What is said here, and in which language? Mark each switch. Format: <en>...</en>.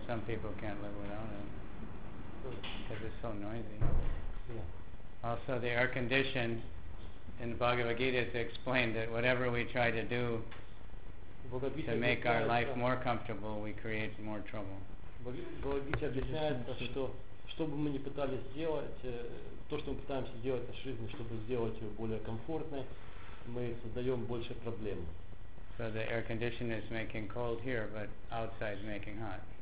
<en>Some people can't live without it. Because it's so noisy. Yeah. Also, the air condition in the Bhagavad Gita is explained that whatever we try to do to make our life more comfortable, we create more trouble.</en> <ru>Бхагавад-гита объясняет, что что бы мы ни пытались сделать, то, что мы пытаемся сделать в жизни, чтобы сделать ее более комфортной, мы создаем больше проблем.</ru> <en>So the air conditioner is making cold here, but outside making hot.</en>